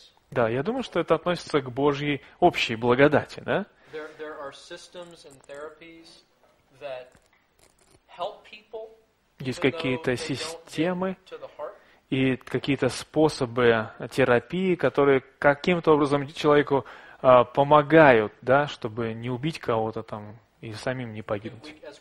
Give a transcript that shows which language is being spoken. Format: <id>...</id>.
<ru>Да, я думаю, что это относится к Божьей общей благодати, да?</ru> <en>There are systems and therapies that help people,</en> <ru>есть какие-то системы и какие-то способы терапии, которые каким-то образом человеку помогают, да, чтобы не убить кого-то там. И самим не погибнуть.</ru>